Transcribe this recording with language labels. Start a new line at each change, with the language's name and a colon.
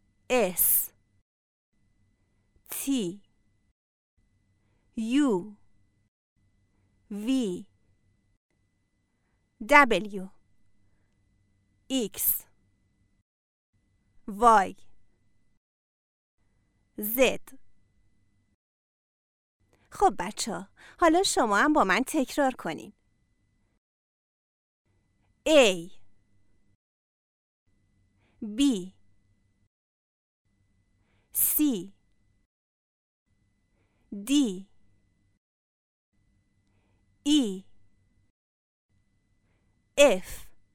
English: S T U V W X Y Z.
Persian: خب بچه ها، حالا شما هم با من تکرار کنین.
English: A B C D E F